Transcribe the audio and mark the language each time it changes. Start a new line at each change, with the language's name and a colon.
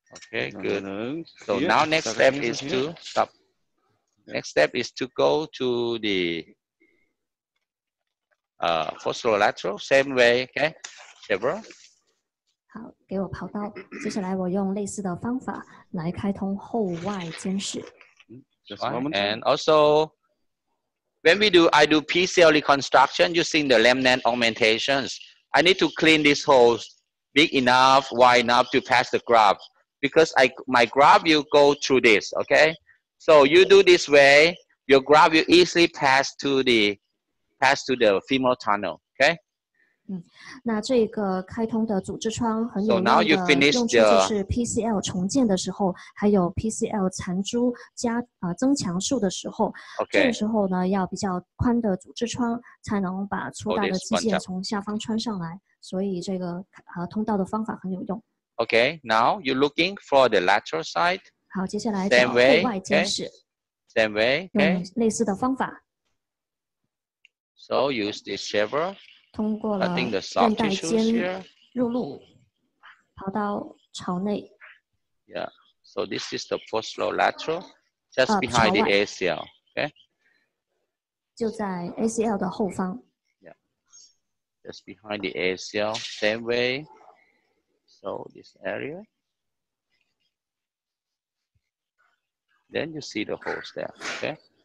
English: Okay, good. So now next step is to stop. Next step is to go to the fossil lateral, same way, okay? Deborah?
Chinese: 好，给我跑道。接下来我用类似的方法来开通后外间室。
English: And also, when I do PCL reconstruction using the remnant augmentations, I need to clean these holes big enough, wide enough to pass the graft. Because my graft will go through this, okay? So you do this way, your graft will easily pass to the femoral tunnel, okay?
Chinese: 那这个开通的组织窗很有用的用处就是 PCL 重建的时候，还有 PCL 残株加增强术的时候，
English: okay.
Chinese: 这个时候呢要比较宽的组织窗才能把粗大的肌腱从下方穿上来，所以这个通道的方法很有用。
English: Okay, now you're looking for the lateral side.
Chinese: 好，接下来找后外间室。
English: Same way, okay.
Chinese: 用类似的方法。
English: So use this shaver.
Chinese: 通过了韧带间入路，跑到朝内。
English: Yeah, so this is the fossil lateral, just behind the ACL. Okay.
Chinese: 就在 ACL 的后方。
English: Yeah, just behind the ACL. Same way. So this area, then you see the holes there, okay?